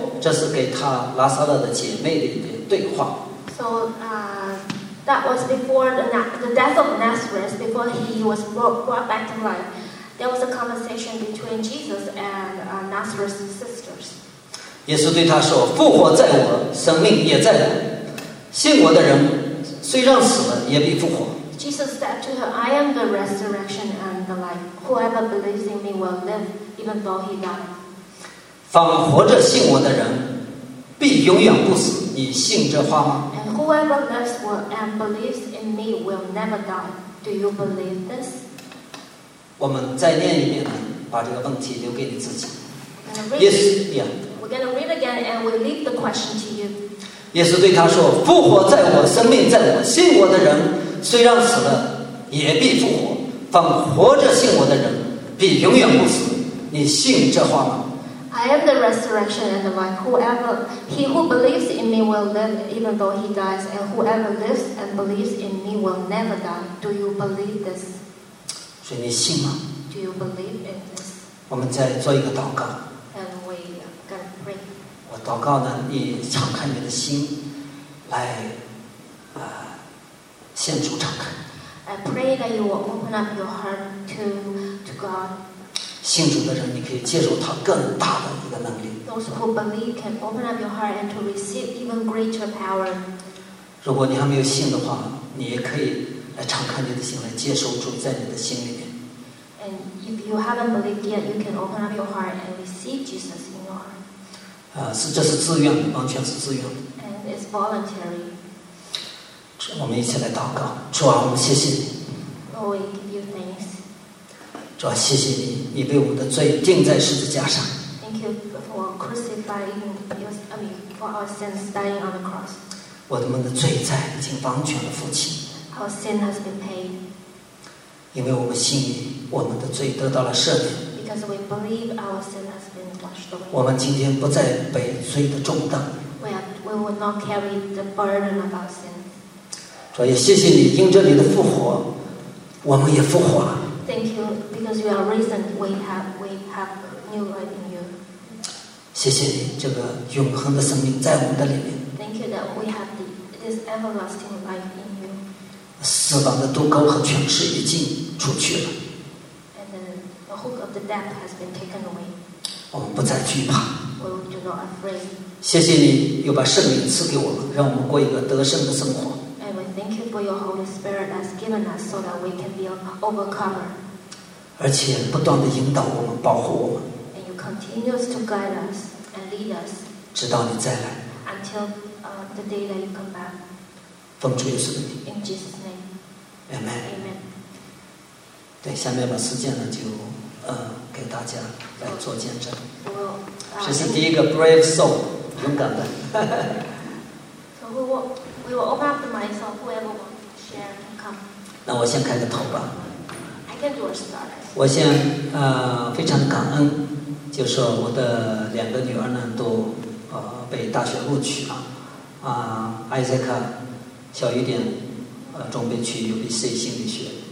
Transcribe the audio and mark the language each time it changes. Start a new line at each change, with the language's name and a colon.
Chinese: 这是给他拉撒勒的姐妹的一个对话。
English: So, that was before the death of Lazarus, before he was brought back to life. There was a conversation between Jesus and Nazareth's sisters.
Chinese: 耶稣对他说，复活在我，生命也在我。信我的人，虽然死了，也必复活。
English: Jesus said to her, I am the resurrection and the life. Whoever believes in me will live, even though he died.
Chinese: 凡活着信我的人，必永远不死。你信这话吗？
English: And whoever lives and believes in me will never die. Do you believe this?
Chinese: 我们再念一遍呢，把这个问题留给你自己。
English: Yes, yeah. We're gonna read again, and we leave the question to you.
Chinese: 耶稣对他说，复活在我，生命在我，信我的人虽然死了也必复活，凡活着信我的人必永远不死。你信这话吗？
English: I am the resurrection and the life. Whoever he who believes in me will live, even though he dies. And whoever lives and believes in me will never die. Do you believe this?
Chinese: 所以你信吗？
English: Do you believe in this?
Chinese: 我们再做一个祷告。
English: And we can pray.
Chinese: 我祷告呢，你敞开你的心，来，向主敞开。
English: I pray that you will open up your heart to God.
Chinese: 信主的人，你可以接受他更大的一个能力。
English: Those who believe can open up your heart and to receive even greater power.
Chinese: 如果你还没有信的话，你也可以来敞开你的心，来接受主在你的心里面。
English: And if you haven't believed yet, you can open up your heart and receive Jesus in your heart.
Chinese: 是这是自愿，完全是自愿。
English: And it's voluntary.
Chinese: 我们一起来祷告，主啊，我们谢谢你。
English: Lord, we give you thanks.
Chinese: 主啊，谢谢你，你被我们的罪钉在十字架上。
English: Thank you for crucifying your, I mean, for our sins dying on the cross.
Chinese: 我们的罪债已经完全的付清。
English: Our sin has been paid.
Chinese: 因为我们信你，我们的罪得到了赦免。
English: Because we believe our sin has been washed away.
Chinese: 我们今天不再背罪的重担。
English: We will not carry the burden of our sin.
Chinese: 主啊，也谢谢你，因着你的复活，我们也复活了。
English: Thank you, because you are risen. We have new life in you.
Chinese: 谢谢你，这个永恒的生命在我们的里面。
English: Thank you that we have this everlasting life in you.
Chinese: 死亡的毒钩和权势已经出去了。
English: And the hook of the death has been taken away.
Chinese: 我们不再惧怕。
English: We do not afraid.
Chinese: 谢谢你又把圣灵赐给我们，让我们过一个得胜的生活。
English: Thank you for your Holy Spirit that's given us so that we can be an overcomer.
Chinese: 而且不断地引导我们，保护我们。
English: And you continue to guide us and lead us.
Chinese: 直到你再来。
English: Until the day that you come back.
Chinese: 奉主耶稣的名。
English: In Jesus' name. Amen. Amen.
Chinese: 对，下面把时间呢就给大家来做见证。这是第一个
English: brave soul，
Chinese: 勇敢的。
English: So who what? We will open up the mic so whoever wants to share can come.
Chinese: 那我先开个头吧。
English: I can do a start.
Chinese: 我先非常感恩，就是我的两个女儿呢都被大学录取了。艾塞克小一点准备去 UBC 心理学。